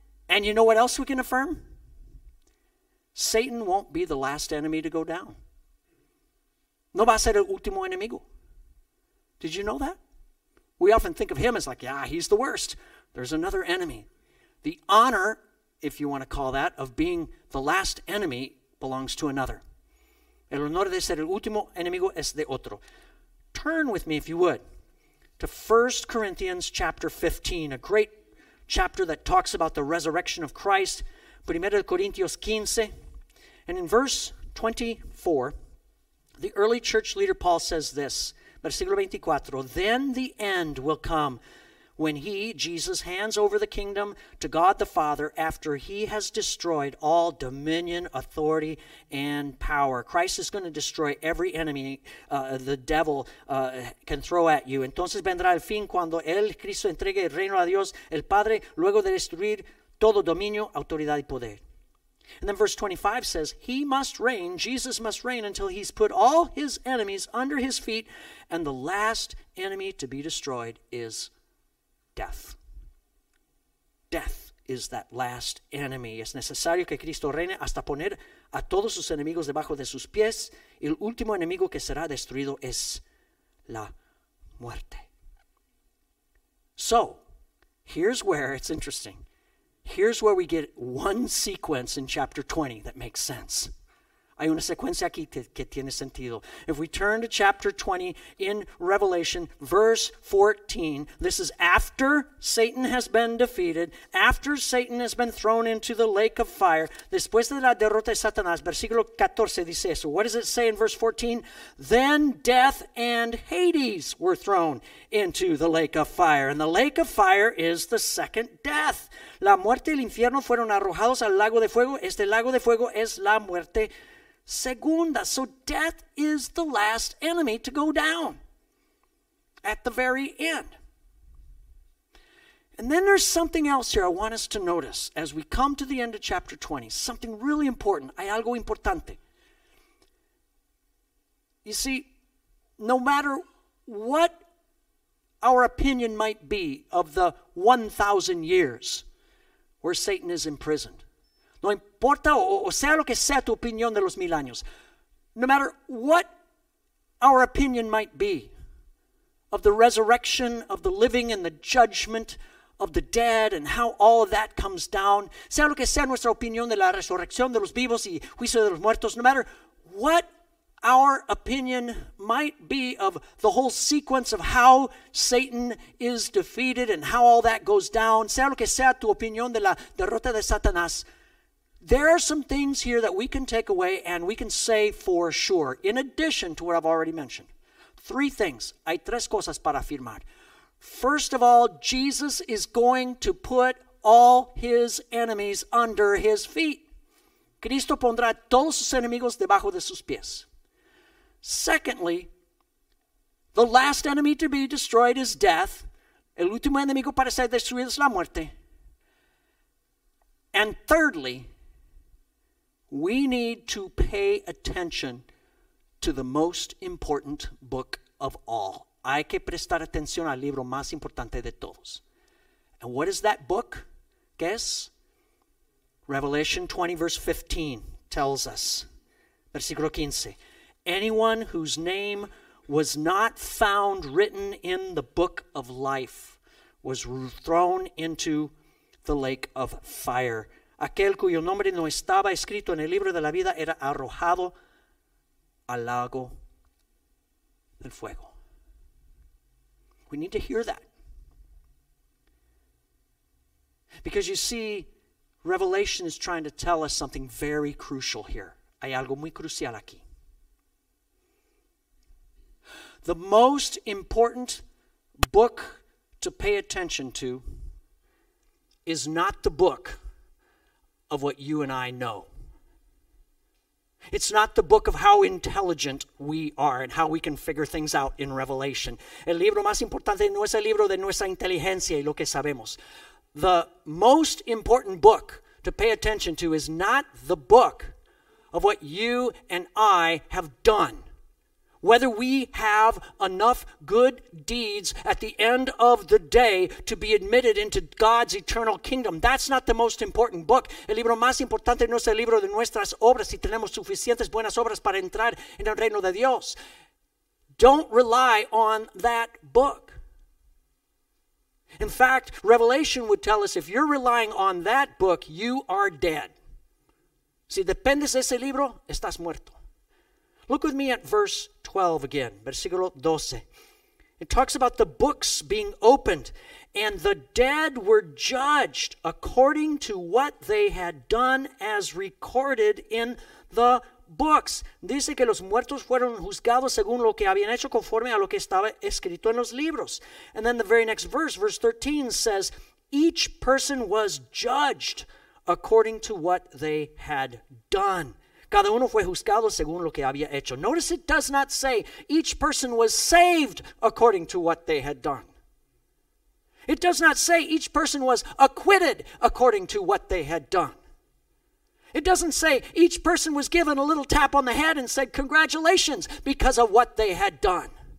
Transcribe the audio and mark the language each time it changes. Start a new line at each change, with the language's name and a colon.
English: And you know what else we can affirm? Satan won't be the last enemy to go down.
Spanish: No va a ser el último enemigo.
English: Did you know that? We often think of him as like, yeah, he's the worst. There's another enemy. The honor, if you want to call that, of being the last enemy belongs to another.
Spanish: El honor de ser el último enemigo es de otro.
English: Turn with me, if you would, to 1 Corinthians chapter 15, a great chapter that talks about the resurrection of Christ. 1 Corinthians 15, And in verse 24, the early church leader Paul says this,
Spanish: versículo 24,
English: then the end will come when he, Jesus, hands over the kingdom to God the Father after he has destroyed all dominion, authority, and power. Christ is going to destroy every enemy the devil can throw at you.
Spanish: Entonces vendrá el fin cuando él, Cristo, entregue el reino a Dios, el Padre, luego de destruir todo dominio, autoridad y poder.
English: And then verse 25 says, he must reign, Jesus must reign until he's put all his enemies under his feet, and the last enemy to be destroyed is death. Death is that last enemy.
Spanish: Es necesario que Cristo reine hasta poner a todos sus enemigos debajo de sus pies. El último enemigo que será destruido es la muerte.
English: So, here's where it's interesting. Here's where we get one sequence in chapter 20 that makes sense.
Spanish: Hay una secuencia aquí que tiene sentido.
English: If we turn to chapter 20 in Revelation, verse 14, this is after Satan has been defeated, after Satan has been thrown into the lake of fire.
Spanish: Después de la derrota de Satanás, versículo 14 dice eso.
English: What does it say in verse 14? Then death and Hades were thrown into the lake of fire. And the lake of fire is the second death.
Spanish: La muerte y el infierno fueron arrojados al lago de fuego. Este lago de fuego es la muerte segunda.
English: So death is the last enemy to go down at the very end. And then there's something else here I want us to notice as we come to the end of chapter 20. Something really important.
Spanish: Hay algo importante.
English: You see, no matter what our opinion might be of the 1,000 years where Satan is imprisoned,
Spanish: no importa o sea lo que sea tu opinión de los mil años,
English: no matter what our opinion might be of the resurrection of the living and the judgment of the dead and how all of that comes down,
Spanish: sea lo que sea nuestra opinión de la resurrección de los vivos y juicio de los muertos,
English: no matter what our opinion might be of the whole sequence of how Satan is defeated and how all that goes down,
Spanish: sea lo que sea tu opinión de la derrota de Satanás,
English: there are some things here that we can take away and we can say for sure, in addition to what I've already mentioned. Three things.
Spanish: Hay tres cosas para afirmar.
English: First of all, Jesus is going to put all his enemies under his feet.
Spanish: Cristo pondrá todos sus enemigos debajo de sus pies.
English: Secondly, the last enemy to be destroyed is death.
Spanish: El último enemigo para ser destruido es la muerte.
English: And thirdly, we need to pay attention to the most important book of all.
Spanish: Hay que prestar atención al libro más importante de todos.
English: And what is that book? Guess? Revelation 20, verse 15 tells us.
Spanish: Versículo 15.
English: Anyone whose name was not found written in the book of life was thrown into the lake of fire.
Spanish: Aquel cuyo nombre no estaba escrito en el libro de la vida era arrojado al lago del fuego.
English: We need to hear that. Because you see, Revelation is trying to tell us something very crucial here.
Spanish: Hay algo muy crucial aquí.
English: The most important book to pay attention to is not the book of what you and I know. It's not the book of how intelligent we are and how we can figure things out in Revelation.
Spanish: El libro más importante no es el libro de nuestra inteligencia y lo que sabemos.
English: The most important book to pay attention to is not the book of what you and I have done. Whether we have enough good deeds at the end of the day to be admitted into God's eternal kingdom. That's not the most important book.
Spanish: El libro más importante no es el libro de nuestras obras, si tenemos suficientes buenas obras para entrar en el reino de Dios.
English: Don't rely on that book. In fact, Revelation would tell us if you're relying on that book, you are dead.
Spanish: Si dependes de ese libro, estás muerto.
English: Look with me at verse 12 again,
Spanish: versículo 12.
English: It talks about the books being opened, and the dead were judged according to what they had done as recorded in the books.
Spanish: Dice que los muertos fueron juzgados según lo que habían hecho conforme a lo que estaba escrito en los libros.
English: And then the very next verse, verse 13, says, each person was judged according to what they had done.
Spanish: Cada uno fue juzgado según lo que había hecho.
English: Notice it does not say each person was saved according to what they had done. It does not say each person was acquitted according to what they had done. It doesn't say each person was given a little tap on the head and said congratulations because of what they had done.